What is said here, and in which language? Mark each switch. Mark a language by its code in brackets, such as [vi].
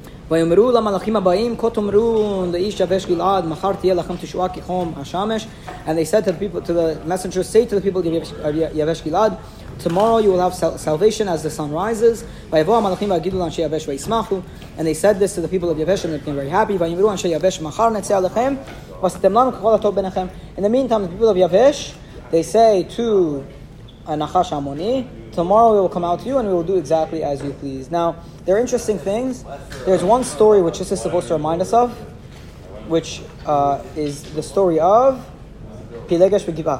[he] ויאמרו למלאכים הבאים, כה תאמרו לאיש יבש גלעד, מחר תהיה לכם תשועה כחום השמש. [en] And they said to the people, to the messengers, say to the people of יבש גלעד, tomorrow you will have salvation as the sun rises. [he] ויבוא המלאכים ויגידו לאנשי יבש וישמחו. [en] And they said this to the people of יבש, and they became very happy. [he] ויאמרו אנשי יבש, מחר נצא עליכם, ועשיתם לנו ככל הטוב ביניכם. [en] In the meantime, the people of יבש, they say to הנחש המוני, tomorrow we will come out to you and we will do exactly as you please. Now, there are interesting things. There's one story which this is supposed to remind us of, which is the story of Pilegesh Begibah.